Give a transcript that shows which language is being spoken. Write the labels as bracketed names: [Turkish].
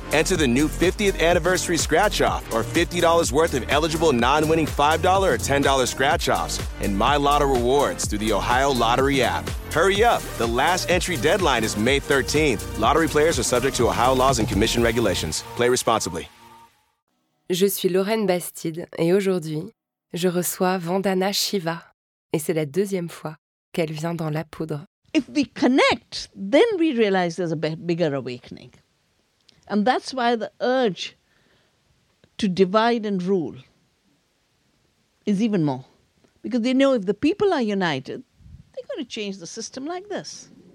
[English] Enter the new 50th anniversary scratch-off, or $50 worth of eligible non-winning $5 or $10 scratch-offs, and My Lotto Rewards through the Ohio Lottery app. Hurry up! The last entry deadline is May 13th. Lottery players are subject to Ohio laws and commission regulations. Play responsibly. [French] Je suis Lorraine Bastide et aujourd'hui, je reçois Vandana Shiva. Et c'est la deuxième fois qu'elle vient dans la poudre. [English] If we connect, then we realize there's a bigger awakening. And that's why the urge to divide and rule is even more. Because they know if the people are united, they're going to change the system like this.